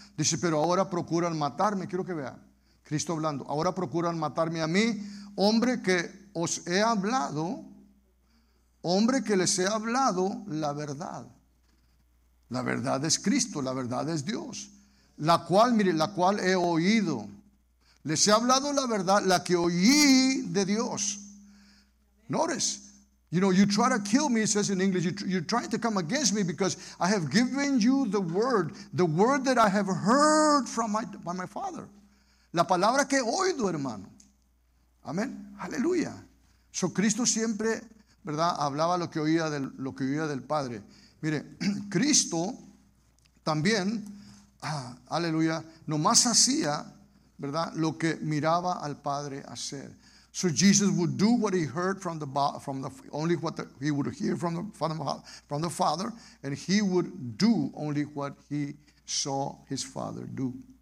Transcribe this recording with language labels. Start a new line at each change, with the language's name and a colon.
Spanish: Dice: pero ahora procuran matarme. Quiero que vea Cristo hablando: ahora procuran matarme a mí, hombre que os he hablado. Hombre que les he hablado la verdad. La verdad es Cristo, la verdad es Dios. La cual, mire, la cual he oído. Les he hablado la verdad, la que oí de Dios.
English: Notice, you know, you try to kill me, it says in English. You're trying to come against me because I have given you the word that I have heard from by my Father.
Spanish: La palabra que he oído, hermano. Amén. Aleluya. So Cristo siempre, ¿verdad?, hablaba lo que oía del Padre. Mire, Cristo también, aleluya, nomás hacía, ¿verdad?, lo que miraba al Padre hacer.
English: So Jesus would do what he heard from the Father, and he would do only what he saw his Father do.